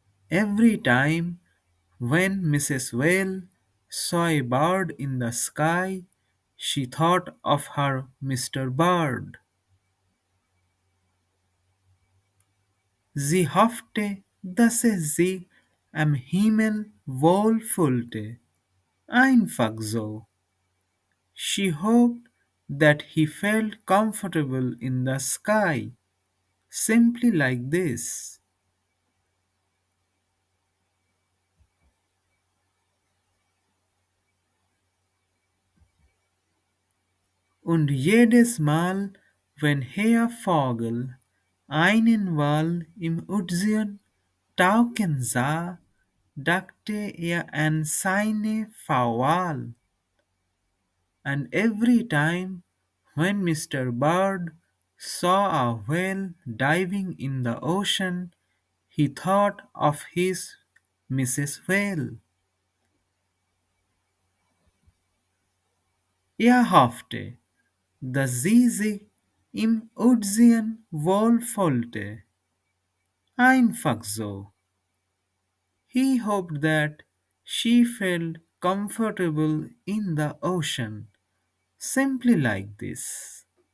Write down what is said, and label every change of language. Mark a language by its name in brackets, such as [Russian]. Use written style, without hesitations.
[English] Every time when Mrs. Whale saw a bird in the sky, she thought of her Mr. Bird. [German] Sie hoffte, dass sie am Himmel wohl fühlte, einfach so. [English] She hoped that he felt comfortable in the sky, simply like this. [German] Und jedes Mal, wenn Herr Vogel einen Wal im Ozean tauchen sah, dachte an seine Frau Wal. [English] And every time when Mr. Bird saw a whale diving in the ocean, he thought of his Mrs. Whale. [German] Hoffte, dass sie sich im Ozean wohl fühlte. Einfach so. [English] He hoped that she felt comfortable in the ocean. Simply like this.